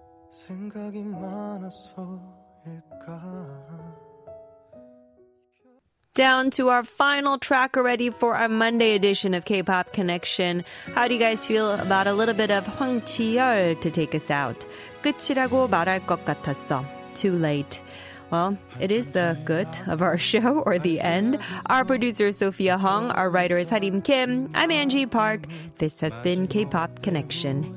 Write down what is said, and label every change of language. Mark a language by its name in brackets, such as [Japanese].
[Korean] 생각이 많아서일까? [English] down to our final track already for our Monday edition of K-Pop Connection. How do you guys feel about a little bit of Hwang Ji-yeol to take us out? [Korean] 끝이라고 말할 것 같았어. [English] Too late. Well, it is the good of our show, or the end. Our producer is Sophia Hong. Our writer is Harim Kim. I'm Angie Park. This has been K-Pop Connection.